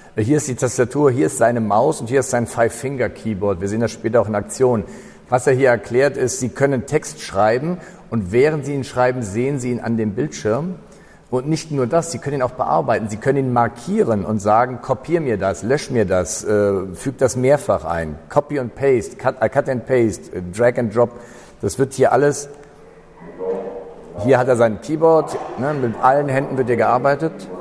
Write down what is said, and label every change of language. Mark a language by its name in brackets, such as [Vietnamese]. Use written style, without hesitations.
[German] Hier ist die Tastatur, hier ist seine Maus und hier ist sein Five-Finger-Keyboard. Wir sehen das später auch in Aktion. Was er hier erklärt ist, Sie können Text schreiben und während Sie ihn schreiben, sehen Sie ihn an dem Bildschirm. Und nicht nur das, Sie können ihn auch bearbeiten. Sie können ihn markieren und sagen, kopier mir das, lösch mir das, füg das mehrfach ein. [English] Copy and paste, cut and paste, drag and drop. [German] Das wird hier alles. Hier hat er sein Keyboard, ne, mit allen Händen wird hier gearbeitet.